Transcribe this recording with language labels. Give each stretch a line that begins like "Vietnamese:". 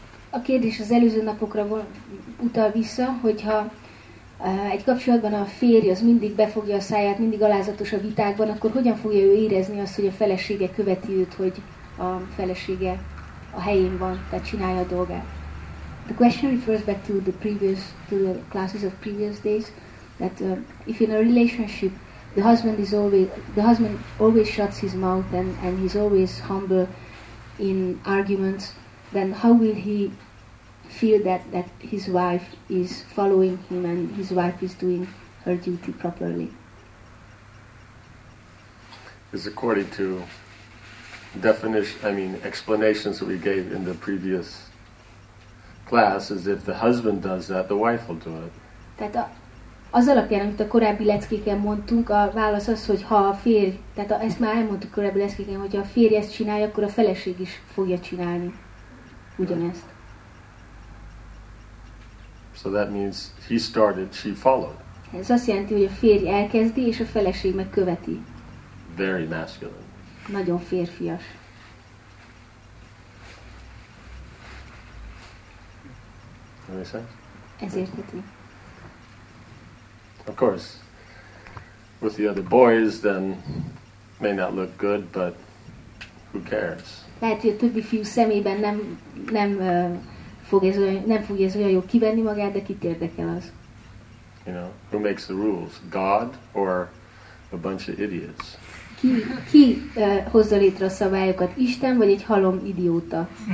Hungarian: A kérdés az előző napokra utal vissza, hogyha egy kapcsolatban a férj az mindig befogja a száját, mindig alázatos a vitákban, akkor hogyan fogja ő érezni azt, hogy a felesége követi őt, hogy a felesége a helyén van, tehát csinálja a dolgát.
English: The question refers back to the classes of previous days, that if in a relationship the husband always shuts his mouth and he's always humble in arguments, then how will he feel that his wife is following him and his wife is doing her duty properly. It's according to explanations that we gave in the previous class, is if the husband does that, the wife will do it.
Hungarian: Tehát az alapján, amit a korábbi leckéken mondtunk, a válasz az, hogy ha a férj, tehát ezt már elmondtuk a korábbi leckéken, hogyha a férj ezt csinálja, akkor a feleség is fogja csinálni ugyanezt.
English: So that means he started, she followed.
Hungarian: Ez azt jelenti, hogy a férj elkezdi, és a feleség meg követi.
English: Very masculine.
Hungarian: Nagyon férfias. Ez érteti.
English: Of course, with the other boys, then may not look good, but who cares?
Hungarian: Lehet, hogy a többi fiú szemében nem fog ez olyan jó kivenni magát, de kit érdekel az?
English: You know, who makes the rules? God or a bunch of idiots?
Hungarian: Ki hozza létre a szabályokat? Isten vagy egy halom idióta?